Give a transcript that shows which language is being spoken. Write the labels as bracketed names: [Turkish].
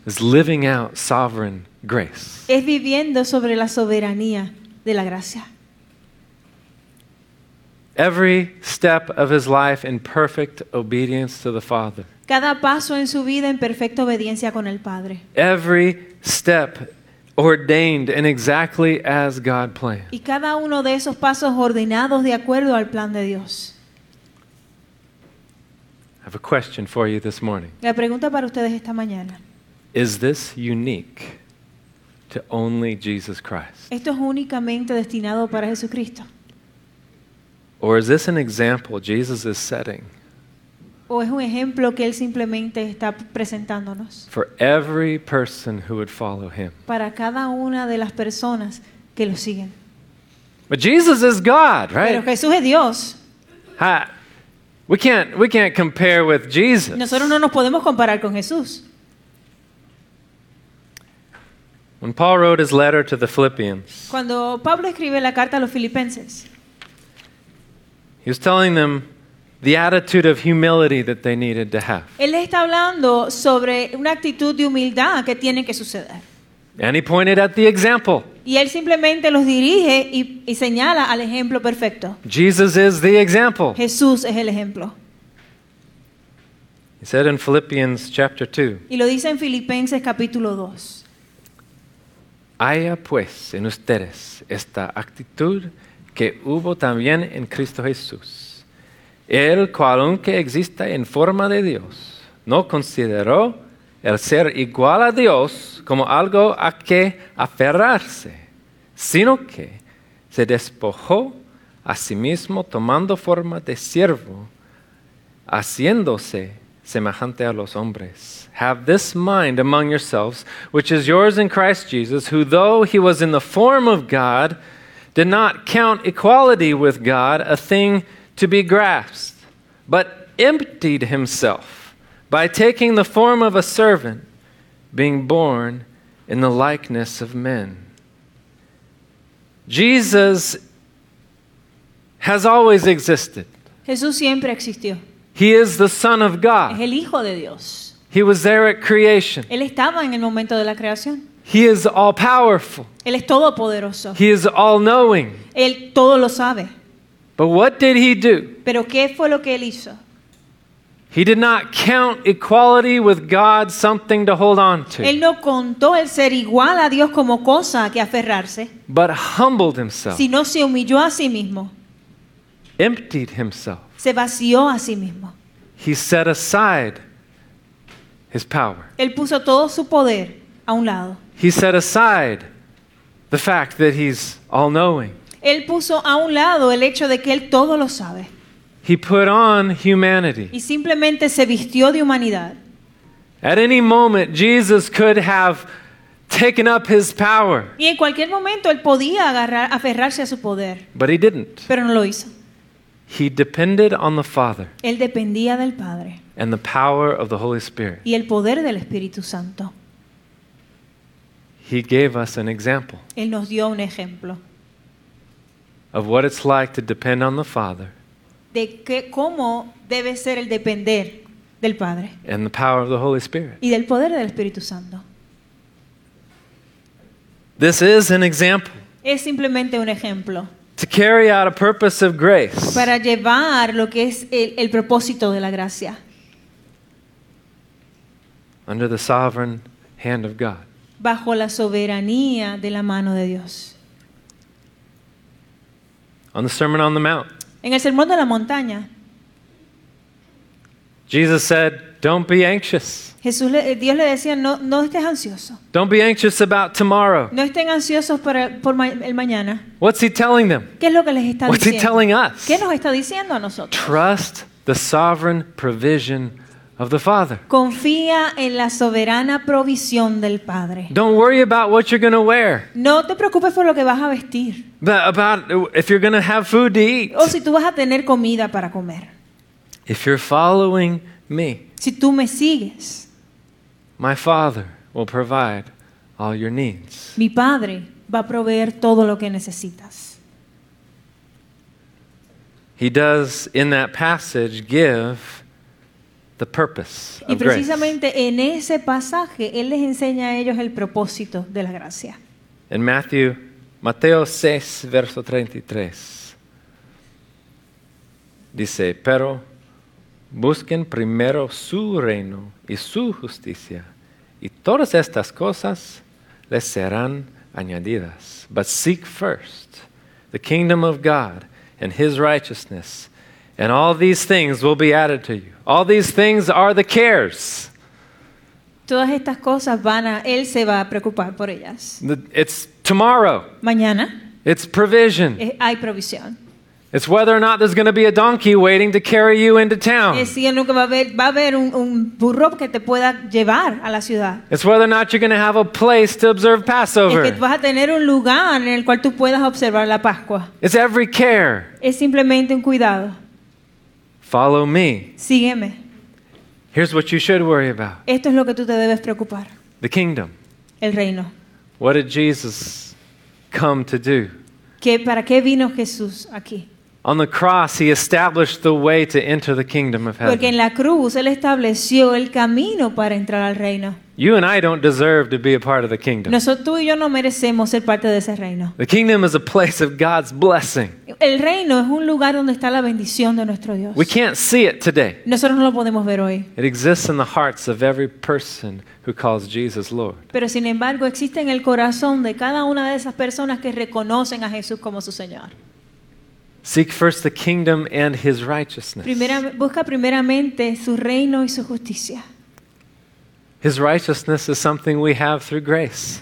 [English] Is living out sovereign grace. [Spanish] Es viviendo sobre la soberanía de la gracia. [English] Every step of his life in perfect obedience to the Father. [Spanish] Cada paso en su vida en perfecta obediencia con el Padre. [English] Every step ordained and exactly as God planned. [Spanish] Y cada uno de esos pasos ordenados de acuerdo al plan de Dios. [English] I have a question for you this morning. [Spanish] La pregunta para ustedes esta mañana. [English] Is this unique to only Jesus Christ? [Spanish] ¿Esto es únicamente destinado para Jesucristo? [English] Or is this an example Jesus is setting? [Spanish] ¿O es un ejemplo que él simplemente está presentándonos? [English] For every person who would follow him. [Spanish] Para cada una de las personas que lo siguen. [English] But Jesus is God, right? [Spanish] Pero Jesús es Dios. [English] Ha. We can't compare with Jesus. [Spanish] Nosotros no nos podemos comparar con Jesús. [English] When Paul wrote his letter to the Philippians, [Spanish] cuando Pablo escribe la carta a los Filipenses, [English] he was telling them the attitude of humility that they needed to have. [Spanish] Él está hablando sobre una actitud de humildad que tiene que suceder. [English] And he pointed at the example. [Spanish] Y él simplemente los dirige y señala al ejemplo perfecto. [English] Jesus is the example. [Spanish] Jesús es el ejemplo. [English] He said in Philippians chapter 2. [Spanish] Y lo dice en Filipenses capítulo 2. Haya pues en ustedes esta actitud que hubo también en Cristo Jesús, el cual aunque exista en forma de Dios, no consideró el ser igual a Dios como algo a que aferrarse, sino que se despojó a sí mismo tomando forma de siervo, haciéndose semejante a los hombres. [English] Have this mind among yourselves, which is yours in Christ Jesus, who though he was in the form of God, did not count equality with God a thing to be grasped, but emptied himself by taking the form of a servant, being born in the likeness of men. Jesus has always existed. [Spanish] Jesús siempre existió. [English] He is the Son of God. [Spanish] Es el Hijo de Dios. [English] He was there at creation. [Spanish] Él estaba en el momento de la creación. [English] He is all powerful. [Spanish] Él es todopoderoso. [English] He is all knowing. [Spanish] Él todo lo sabe. [English] But what did he do? [Spanish] ¿Pero qué fue lo que él hizo? [English] He did not count equality with God something to hold on to. [Spanish] Él no contó el ser igual a Dios como cosa a que aferrarse. [English] But humbled himself. [Spanish] Sino se humilló a sí mismo. [English] Emptied himself. [Spanish] Se vació a sí mismo. [English] He set aside his power. [Spanish] Él puso todo su poder a un lado. [English] He set aside the fact that he's all-knowing. [Spanish] Él puso a un lado el hecho de que él todo lo sabe. [English] He put on humanity. [Spanish] Y simplemente se vistió de humanidad. [English] At any moment, Jesus could have taken up his power. [Spanish] Y en cualquier momento él podía agarrar, aferrarse a su poder. [English] But he didn't. [Spanish] Pero no lo hizo. [English] He depended on the Father. [Spanish] Él dependía del Padre. [English] And the power of the Holy Spirit. [Spanish] Y el poder del Espíritu Santo. [English] He gave us an example. [Spanish] Él nos dio un ejemplo. [English] Of what it's like to depend on the Father. [Spanish] De que, cómo debe ser el depender del Padre. [English] And the power of the Holy Spirit. [Spanish] Y del poder del Espíritu Santo. [English] This is an example. [Spanish] Es simplemente un ejemplo. [English] To carry out a purpose of grace. [Spanish] Para llevar lo que es el propósito de la gracia. [English] Under the sovereign hand of God. [Spanish] Bajo la soberanía de la mano de Dios. [English] On the Sermon on the Mount. [Spanish] En el Sermón de la Montaña. [English] Jesus said, "Don't be anxious." [Spanish] Jesús Dios le decía, no estés ansioso. [English] Don't be anxious about tomorrow. [Spanish] No estén ansiosos por el mañana. [English] What's he telling them? [Spanish] ¿Qué es lo que les está [English] What's [Spanish] diciendo? [English] He telling us? [Spanish] ¿Qué nos está diciendo a nosotros? [English] Trust the sovereign provision of the Father. [Spanish] Confía en la soberana provisión del Padre. [English] Don't worry about what you're going to wear. [Spanish] No te preocupes por lo que vas a vestir. [English] But about if you're going to have food to eat. [Spanish] O si tú vas a tener comida para comer. [English] If you're following me, [Spanish] si tú me sigues, [English] my Father will provide all your needs. [Spanish] Mi Padre va a proveer todo lo que necesitas. [English] He does in that passage give the purpose of grace. [Spanish] Y precisamente en ese pasaje él les enseña a ellos el propósito de la gracia. In Mateo 6 verso 33 dice, pero busquen primero su reino y su justicia y todas estas cosas les serán añadidas. [English] But seek first the kingdom of God and his righteousness, and all these things will be added to you. All these things are the cares. [Spanish] Todas estas cosas van a, él se va a preocupar por ellas. [English] It's tomorrow. [Spanish] Mañana. [English] It's provision. [Spanish] Hay provisión. [English] It's whether or not there's going to be a donkey waiting to carry you into town. [Spanish] Es si nunca va a haber un burro que te pueda llevar a la ciudad. [English] It's whether or not you're going to have a place to observe Passover. [Spanish] Es que vas a tener un lugar en el cual tú puedas observar la Pascua. [English] It's every care. [Spanish] Es simplemente un cuidado. [English] Follow me. [Spanish] Sígueme. [English] Here's what you should worry about. [Spanish] Esto es lo que tú te debes preocupar. [English] The kingdom. [Spanish] El reino. [English] What did Jesus come to do? [Spanish] ¿Qué, para qué vino Jesús aquí? [English] On the cross, he established the way to enter the kingdom of heaven. [Spanish] Porque en la cruz él estableció el camino para entrar al reino. [English] You and I don't deserve to be a part of the kingdom. [Spanish] Nosotros tú y yo no merecemos ser parte de ese reino. [English] The kingdom is a place of God's blessing. [Spanish] El reino es un lugar donde está la bendición de nuestro Dios. [English] We can't see it today. [Spanish] Nosotros no lo podemos ver hoy. [English] It exists in the hearts of every person who calls Jesus Lord. [Spanish] Pero sin embargo, existe en el corazón de cada una de esas personas que reconocen a Jesús como su Señor. [English] Seek first the kingdom and his righteousness. [Spanish] Busca primeramente su reino y su justicia. [English] His righteousness is something we have through grace.